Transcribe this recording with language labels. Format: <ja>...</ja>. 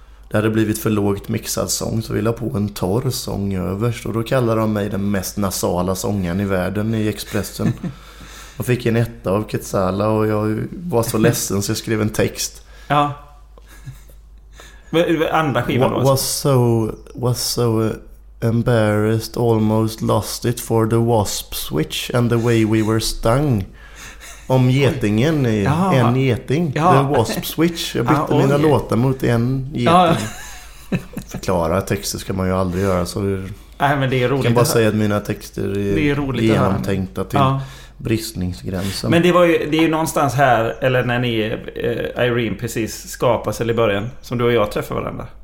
<sv>Det hade blivit för lågt mixad sång, så vi la på en torr sång överst. Och då kallade de mig den mest nasala sången i världen i Expressen. Och fick en etta av Ketsala och jag var så ledsen så jag skrev en text. Ja. Andra skivan då?</sv> <en>Was so embarrassed, almost lost it for the wasp switch and the way we were stung.</en> <sv>Om getingen i en geting. Ja.</sv> <en>The wasp switch.</en> <sv>Jag bytte mina låtar mot en geting. Ja. Förklara texter ska man ju aldrig göra. Så det, nej, men det är roligt. Jag kan bara säga att mina texter är genomtänkta till bristningsgränsen. Men det är ju någonstans här, eller när ni Irene precis skapas eller i början, som du och jag träffar varandra.</sv>